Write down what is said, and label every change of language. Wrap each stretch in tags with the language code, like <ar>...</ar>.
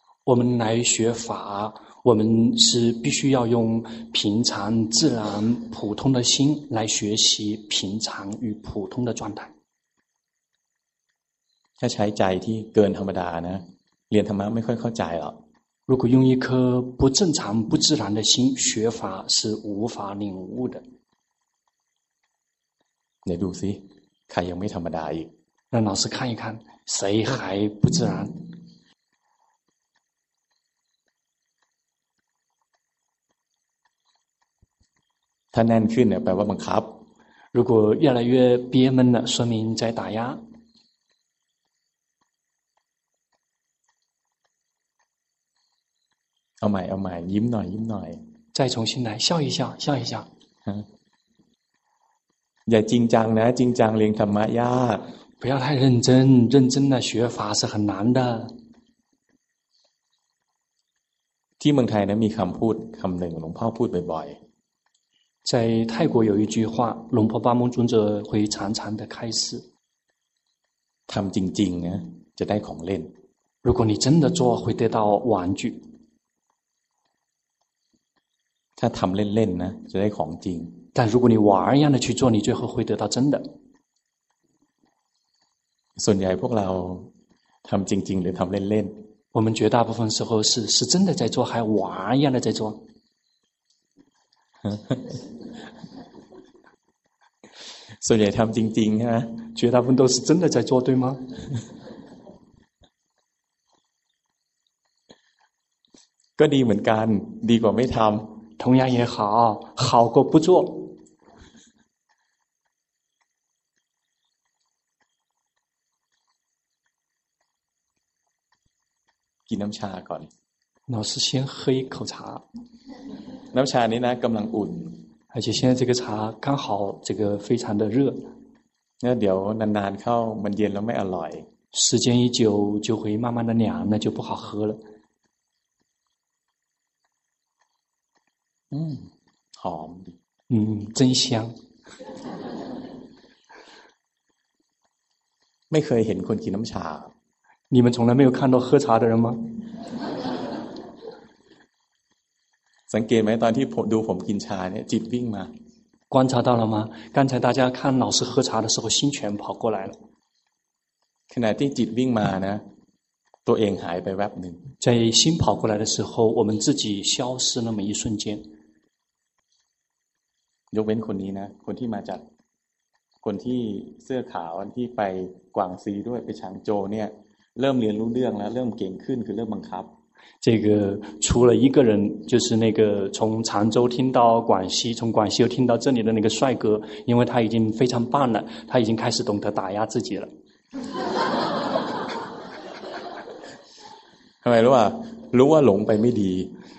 <zh>我们来学法我们是必须要用平常自然普通的心来学习平常与普通的状态</zh> <th>ถ้าใช้ใจที่เกินธรรมดานะเรียนธรรมะไม่ค่อยเข้าใจหรอก</th> <zh>如果用一颗不正常不自然的心学法是无法领悟的</zh> <th>เดี๋ยวดูสิใครยังไม่ธรรมดาอีก</th> <zh>让老师看一看谁还不自然</zh> <th>ถ้าแน่นขึ้นเนี่ยแปลว่าบังคับ</th> <zh>如果越来越憋闷了说明在打压</zh> <th>เอาใหม่เอาใหม่ยิ้มหน่อยยิ้มหน่อย</th> <zh>再重新来笑一笑笑一笑</zh> <th>อย่าจริงจังนะจริงจังเรียนธรรมะยาก</th> <zh>不要太认真认真的学法是很难的</zh> <th>ที่เมืองไทยนะมีคำพูดคำหนึ่งหลวงพ่อพูดบ่อย</th> <zh>ๆ在泰国有一句话龙婆巴蒙尊者会常常的开示</zh> <th>ทำจริงๆนะจะได้ของเล่น</th> <zh>如果你真的做会得到玩具</zh> <th>ถ้าทำเล่นๆนะจะได้ของจริง</th> <zh>但如果你玩一样的去做你最后会得到真的</zh> <th>ส่วนใหญ่พวกเราทำจริงๆหรือทำเล่น</th> <zh>ๆ我们绝大部分时候是真的在做还玩一样的在做</zh> <th>ส่วนใหญ่ทำจริงๆฮะ</th> <zh>绝大部分都是真的在做对吗</zh> <th>ก็ดีเหมือนกันดีกว่าไม่ทำ</th> <zh>同样也好好过不做</zh> <th>กินน้ำชาก่อน</th> <zh>老师先喝一口茶</zh> <th>น้ำชานี้นะกำลังอุ่น</th> <zh>而且现在这个茶刚好这个非常的热</zh> <th>那เดี๋ยวนานๆเข้ามันเย็นแล้วไม่อร่อย</th> <zh>时间一久就会慢慢的凉那就不好喝了</zh> <th>หอม</th> <zh>嗯，真香。</zh> <th>ไม่เคยเห็นคนกินน้ำชา</th> <zh>你们从来没有看到喝茶的人吗？</zh> <th>สังเกตไหมตอนที่ผมดูผมกินชาเนี่ยจิตวิ่งมา</th> <zh>观察到了吗？刚才大家看老师喝茶的时候，心全跑过来了。</zh> <th>ขณะที่จิตวิ่งมานะตัวเองหายไปแวบหนึ่ง</th> <zh>在心跑过来的时候，我们自己消失那么一瞬间。</zh> <th>ยกเว้นคนนี้นะคนที่มาจากคนที่เสื้อขาวที่ไปกวางซีด้วยไปฉางโจเนี่ยเริ่มเรียนรู้เรื่องแล้วเริ่มเก่งขึ้นคือเริ่มบังคับ</th> <zh>这个除了一个人，就是那个从常州听到广西，从广西又听到这里的那个帅哥，因为他已经非常棒了，他已经开始懂得打压自己了。为什么？如果龙被迷离，</zh>